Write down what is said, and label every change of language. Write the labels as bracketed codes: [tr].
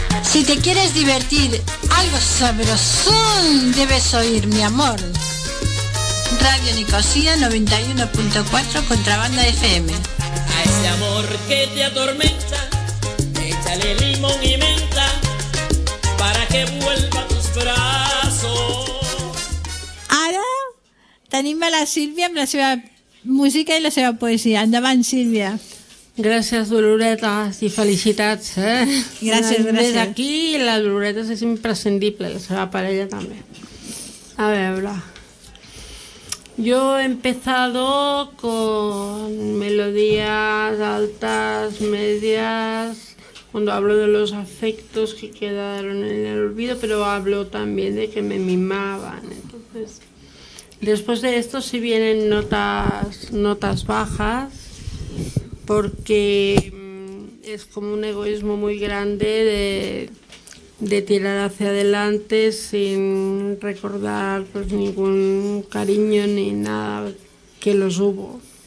[es] Si te quieres divertir, algo sabrosón debes oír, mi amor. Radio Nicosia 91.4, Contrabanda FM. A ese amor que te atormenta, échale limón y menta para que vuelva a tus brazos. [ca] Ahora, t'anima la Silvia amb la seva música i la seva poesia. Endavant, Silvia. Gràcies, Doloreta, i felicitats, eh? Gràcies, gràcies. Des d'aquí, la Doloreta és imprescindible, la seva parella també. A veure... [es] Yo he empezado con melodías altas, medias, cuando hablo de los afectos que quedaron en el olvido, pero hablo también de que me mimaban. Entonces, después de esto sí vienen notas bajas, porque es como un egoísmo muy grande de tirar hacia adelante sin recordar pues ningún cariño ni nada que los hubo.